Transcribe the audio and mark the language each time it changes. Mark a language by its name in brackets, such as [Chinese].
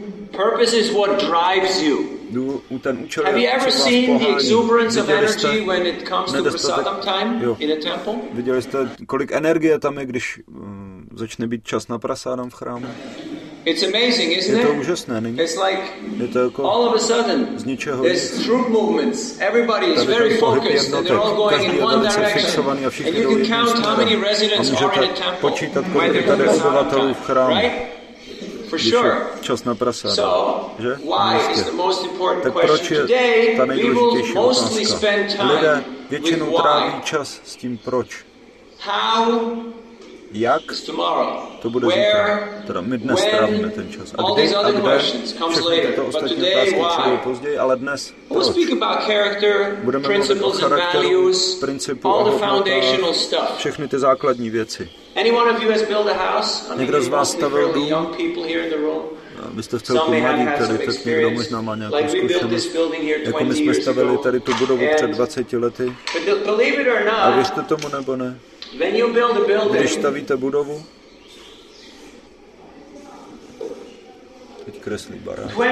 [English] Purpose is what drives you. Have you ever seen the exuberance of energy when it comes to prasadam time in a temple? [Czech] Viděli jste, kolik energie tam je, když začne být čas na prasadam v chrámu? [English] It's amazing, isn't it? [Czech] Je to úžasné, není? [English] It's like all of a sudden [Czech] z ničeho [English] there's troop movements. Everybody is very focused and they're all going in one direction. And you can count how many residents are in a temple. [Czech] Počítat, kolik je tady obyvatelů v chrámu. Čas na prasára, že? Tak proč je ta nejdůležitější otázka? Lidé většinou tráví čas s tím proč. Jak to bude zítra? Teda my dnes trávíme ten čas. A kde? A kde? Všechny tyto ostatní otázky přijdou později, ale dnes proč? Budeme mluvit o charakteru, principu a hodnotách, všechny ty základní věci. [English] Anyone of you has built a house? [Czech] Někdo z vás stavil dům? [English] Young people here in the room. [Czech] Vy jste v celku mladí tady, tak někdo možná má nějakou zkušenost. Jako my jsme stavili tady tu budovu před 20 lety. A věřte tomu nebo ne? Když stavíte budovu, teď kreslí bará.